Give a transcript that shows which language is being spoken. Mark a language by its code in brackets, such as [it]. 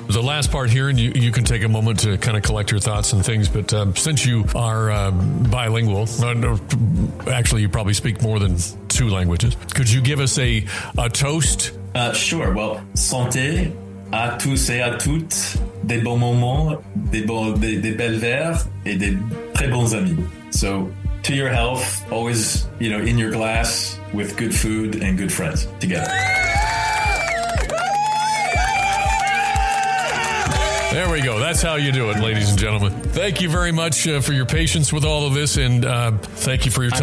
[en] The last part here, and you can take a moment to kind of collect your thoughts and things, but since you are bilingual, actually, you probably speak more than two languages, could you give us a toast? Sure. [fr] Well, santé à tous et à toutes, des bons moments, des belles verres et des très bons amis. [en] So, to your health, always, you know, in your glass with good food and good friends together. There we go. That's how you do it, ladies and gentlemen. Thank you very much for your patience with all of this, and thank you for your time.